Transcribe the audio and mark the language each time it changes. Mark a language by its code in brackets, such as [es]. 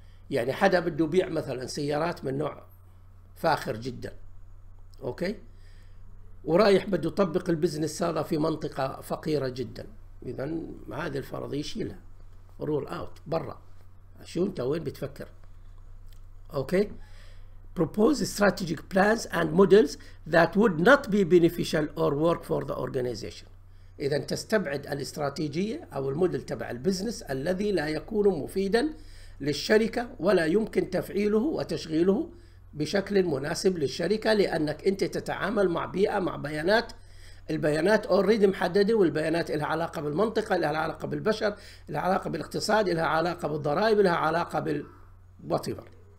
[ar] يعني حدا بده يبيع مثلا سيارات من نوع فاخر جدا، اوكي، ورايح بده يطبق البزنس هذا في منطقة فقيرة جدا، اذا هذه الفرضية يشيلها، [en] rule out [ar] برا، شو انت وين بتفكر. [en] Okay, propose strategic plans and models that would not be beneficial or work for the organization. [ar] اذا تستبعد الاستراتيجيه او الموديل تبع البزنس الذي لا يكون مفيدا للشركه ولا يمكن تفعيله وتشغيله بشكل مناسب للشركه، لانك انت تتعامل مع بيئه، مع بيانات، البيانات اوريدي محدده، والبيانات لها علاقه بالمنطقه، لها علاقه بالبشر، لها علاقه بالاقتصاد، لها علاقه بالضرائب، لها علاقه بالوطيبر.